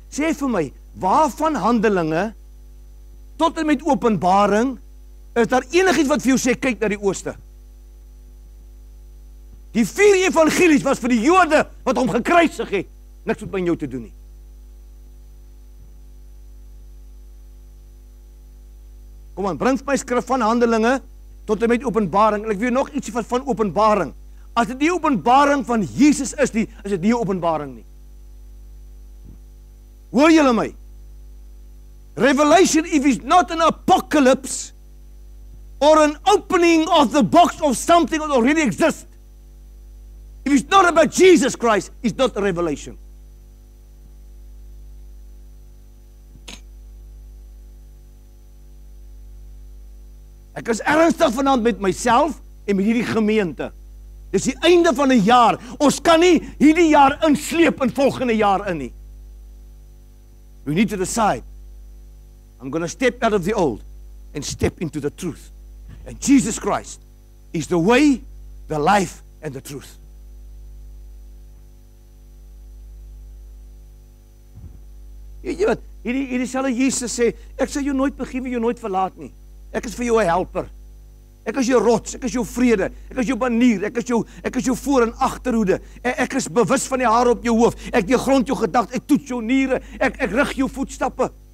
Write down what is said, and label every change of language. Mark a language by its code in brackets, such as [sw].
[af] Sê vir my, waarvan Handelinge, tot en met Openbaring, is daar enig iets wat vir jou sê, kyk na die ooste. Die 4 evangelies was vir die jode, wat hom gekruisig het, niks met my en jou te doen nie. Kom aan, bring my skrif van Handelinge, tot en met Openbaring, en ek weet nog iets van Openbaring. As dit die Openbaring van Jesus is nie, is dit die Openbaring nie. Hoor julle my? [en] Revelation, if it's not an apocalypse, or an opening of the box of something that already exists, if it's not about Jesus Christ, it's not a revelation. [af] Ek is ernstig vanaand met myself en met hierdie gemeente. Dis die einde van die jaar. Ons kan nie hierdie jaar insleep in volgende jaar in nie. [en] We need to decide. I'm going to step out of the old and step into the truth. And Jesus Christ is the way, the life and the truth. [af] Jy weet, hierdie selfe Jesus sê, ek sal jou nooit begewe, jou nooit verlaat nie. Ek is vir jou een helper. Ek is jou rots, ek is jou vrede, ek is jou banier, ek is jou voor en achterhoede. Ek is bewus van die haar op jou hoof, ek die grond jou gedagte, ek toets jou niere, ek rig jou voetstappe.